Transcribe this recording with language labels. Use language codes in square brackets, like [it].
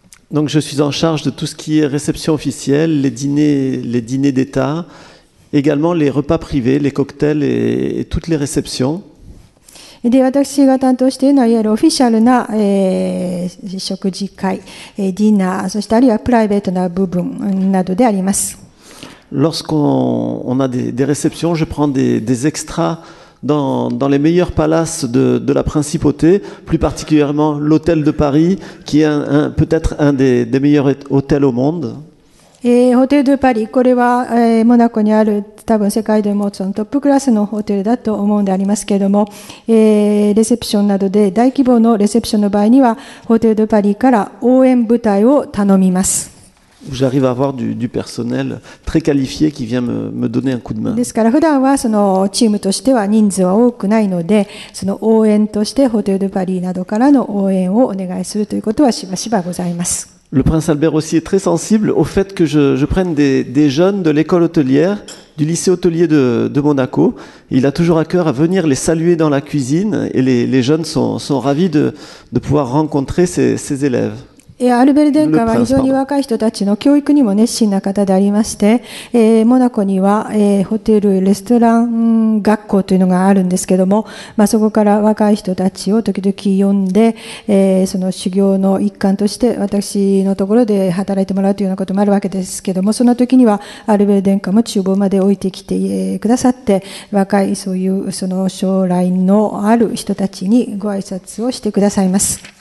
[fr] donc je suis en charge de tout ce qui est réception officielle, les dîners d'État, également les repas privés, les cocktails et toutes les réceptions. [ja] で、私が担当しているのはいわゆるオフィシャルな、食事会、ディナー、そしてあるいはプライベートな部分などであります。 [fr] Lorsqu'on a des réceptions, je prends des extras dans les meilleurs palaces de la principauté, plus particulièrement l'hôtel de Paris, qui est peut-être un des meilleurs hôtels au monde. [ja] Hôtel de Paris, これはモナコにある多分世界でもそのトップクラスのホテルだと思うんでありますけれども、レセプションなどで大規模のレセプションの場合には、ホテルでパリから応援部隊を頼みます。 [fr] J'arrive à avoir du personnel très qualifié qui vient me donner un coup de main. [ja] ですから普段はそのチームとしては人数は多くないので、その応援としてホテルでパリなどからの応援をお願いするということはしばしばございます。 [fr] Le prince Albert aussi est très sensible au fait que je prenne des jeunes de l'école hôtelière, du lycée hôtelier de Monaco. Il a toujours à cœur à venir les saluer dans la cuisine et les jeunes sont ravis de pouvoir rencontrer ces élèves. [ja] いやアルベル殿下は非常に若い人たちの教育にも熱心な方でありまして、モナコには、ホテルレストラン学校というのがあるんですけども、まあ、そこから若い人たちを時々呼んで、その修行の一環として私のところで働いてもらうというようなこともあるわけですけども、その時にはアルベル殿下も厨房まで置いてきて、くださって、若いそういうその将来のある人たちにご挨拶をしてくださいます。